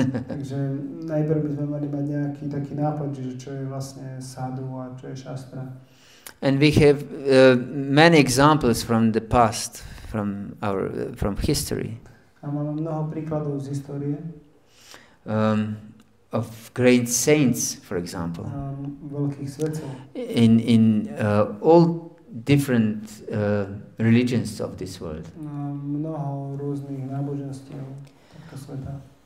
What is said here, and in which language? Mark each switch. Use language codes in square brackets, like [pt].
[sk] Takže najprv by sme mali mať nejaký taký nápad, že čo je vlastne sadhu a čo je shastra. [en] And we have many examples from the past, from our from history. [sk] A máme mnoho príkladov z histórie. [en] Of great saints, for example. [sk] Veľkých svetcov. [en] In all different religions of this world. [sk] Mnoho rôznych náboženstiev tohto sveta.